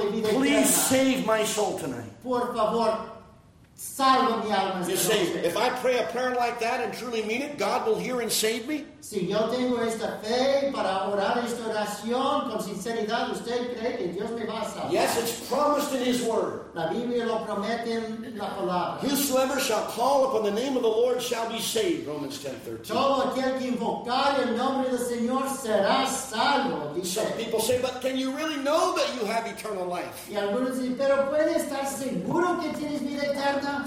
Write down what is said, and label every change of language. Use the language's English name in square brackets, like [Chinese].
[English] Please save my soul tonight. [Spanish] Por favor, Salva mi alma. [English] You say, if I pray a prayer like that and truly mean it, God will hear and save me? [Spanish] Si yo tengo esta fe para orar esta oración con sinceridad, ¿usted cree que Dios me va a salvar? [English] Yes, it's promised in His Word. [Spanish] La Biblia lo promete en la palabra. [English] Whosoever shall call upon the name of the Lord shall be saved, Romans 10:13. [Spanish] Todo aquel que invocar el nombre del Señor será salvo, dice. [English] Some people say, but can you really know that you have eternal life? [Spanish] Y algunos dicen, pero ¿puede estar seguro que tienes vida eterna?